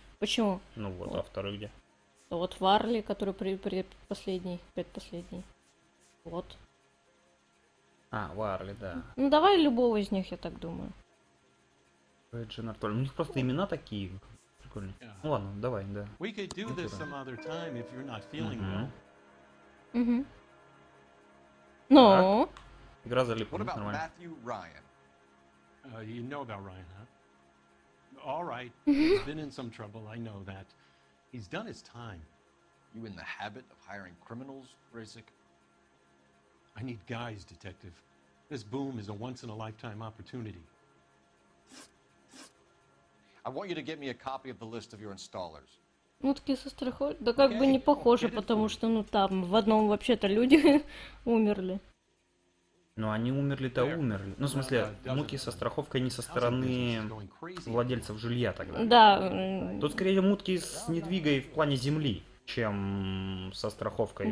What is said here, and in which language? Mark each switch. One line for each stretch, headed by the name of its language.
Russian: Почему? Ну, вот, вот. А второй где? Вот Варли, который предпоследний, предпоследний. Вот. А, Варли, да. Ну, давай любого из них, я так думаю. Реджин Артоль. У них просто имена такие. Прикольные.
English: Yeah.
Russian: Ну, ладно, давай, да.
English: We could do this some other time, if you're not feeling well.
Russian: Угу. Ну. Игра залипла,
English: What about
Russian: нормально.
English: Matthew Ryan? You know about Ryan, huh? All right. He's been in some trouble, I know that. He's done his time. You in the habit of hiring criminals, Rasik? I need guys, detective. This boom is a once in a lifetime opportunity. I want you to get me a copy of the list of your installers.
Russian: Ну, такие сестры ходят. Да как бы не похоже, потому что, ну, там, в одном вообще-то люди умерли. Ну, они умерли-то умерли. Ну, в смысле, муки со страховкой не со стороны владельцев жилья тогда. Да. Тут, скорее, мутки с недвигой в плане земли, чем со страховкой